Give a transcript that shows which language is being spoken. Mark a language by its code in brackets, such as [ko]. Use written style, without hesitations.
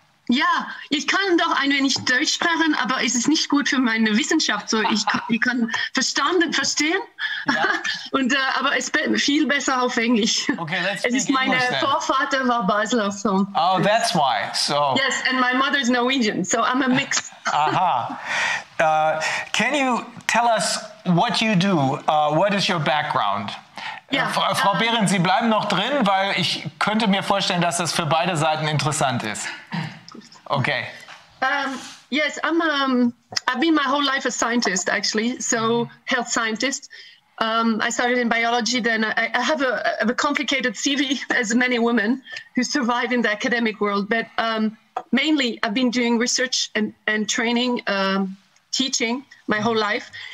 [de] Ja, ich kann doch ein wenig Deutsch sprechen, aber es ist nicht gut für meine Wissenschaft. So, ich kann verstehen, ja. Und, aber es ist viel besser auf Englisch. [en] Okay, let's speak English. [de] Mein Vorvater war Basler. So. [en] Oh, that's why. So. Yes, and my mother is Norwegian, so I'm a mix. Aha. Can you tell us what you do? What is your background? [de] Ja, Frau Behrendt, Sie bleiben noch drin, weil ich könnte mir vorstellen, dass das für beide Seiten interessant ist. [en] Okay. Yes, I've been my whole life a scientist, actually, so health scientist. I started in biology, then I have a complicated CV, as many women who survive in the academic world, but mainly I've been doing research and training, teaching my whole life.